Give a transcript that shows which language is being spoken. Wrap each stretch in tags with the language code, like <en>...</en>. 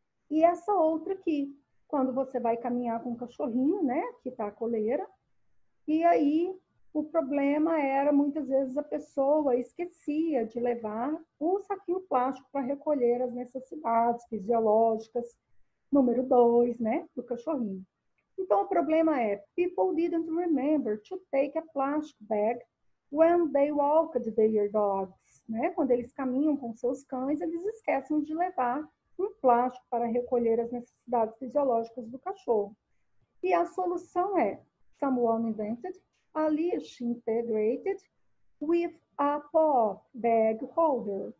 <pt>E essa outra aqui, quando você vai caminhar com o cachorrinho, né? Que tá a coleira. E aí o problema era, muitas vezes, a pessoa esquecia de levar o saquinho plástico para recolher as necessidades fisiológicas, número 2, né, do cachorrinho. Então, o problema é:</pt> <en>people didn't remember to take a plastic bag when they walked their dogs, né?</en> <pt>Quando eles caminham com seus cães, eles esquecem de levar um plástico para recolher as necessidades fisiológicas do cachorro. E a solução é:</pt> <en>someone invented a leash integrated with a paw bag holder.</en>